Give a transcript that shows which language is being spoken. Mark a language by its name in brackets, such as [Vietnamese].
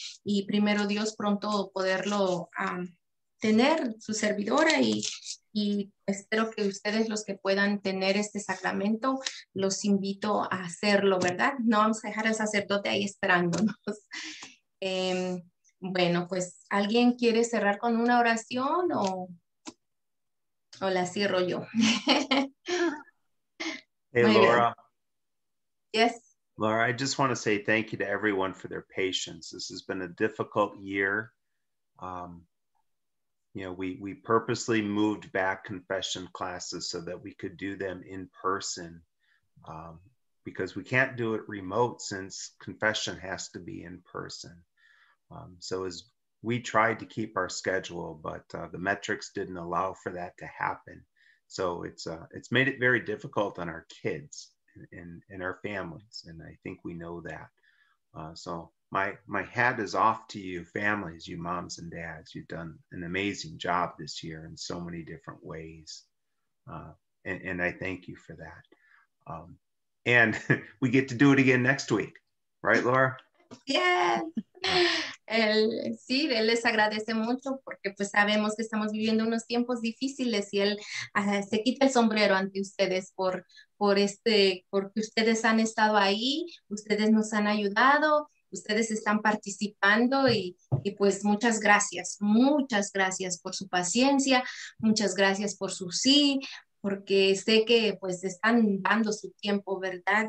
[Spanish] Y primero Dios pronto poderlo tener, su servidora, y espero que ustedes, los que puedan tener este sacramento, los invito a hacerlo, ¿verdad? No vamos a dejar al sacerdote ahí esperándonos. Bueno, pues, ¿alguien quiere cerrar con una oración o la cierro yo? [English] Hey, Laura. Yes. Laura, I just want to say thank you to everyone for their patience. This has been a difficult year. You know, we purposely moved back confession classes so that we could do them in person, because we can't do it remote since confession has to be in person. So as we tried to keep our schedule, but the metrics didn't allow for that to happen. So it's made it very difficult on our kids and our families. And I think we know that. So my hat is off to you families, you moms and dads. You've done an amazing job this year in so many different ways. And I thank you for that. And we get to do it again next week. Right, Laura? Yeah. [Spanish] Él les agradece mucho porque pues sabemos que estamos viviendo unos tiempos difíciles y él se quita el sombrero ante ustedes porque ustedes han estado ahí, ustedes nos han ayudado, ustedes están participando y pues muchas gracias por su paciencia, muchas gracias por su sí, porque sé que pues están dando su tiempo, ¿verdad?